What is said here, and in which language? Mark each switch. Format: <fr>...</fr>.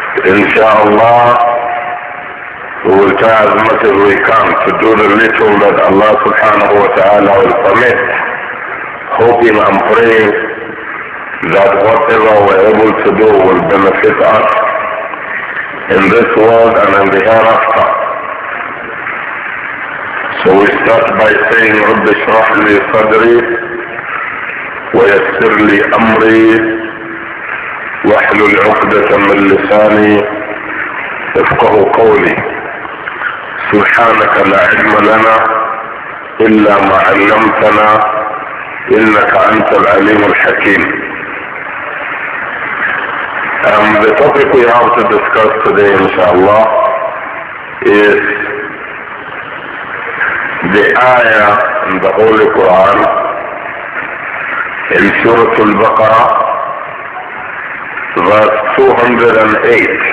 <en>Insha'Allah, we will try as much as we can to do the little that Allah subhanahu wa ta'ala will permit, hoping and praying that whatever we are able to do will benefit us in this world and in the hereafter. So we start by saying,</en> <ar>رَبِّ شْرَحْ لِي صَدْرِي وَيَسِّرْ لِي أَمْرِي وَحْلُ الْعُقْدَةَ مِنْ لِسَانِي يَفْقَهُ قَوْلِي سُبْحَانَكَ لَا عِلْمَ لَنَا إِلَّا مَا عَلَّمْتَنَا إِنَّكَ أَنْتَ الْعَلِيمُ الْحَكِيمُ.</ar> <en>The topic we have to discuss today, inshallah, is the ayah in the Holy Quran in Surah Al-Baqarah, verse 208.</en>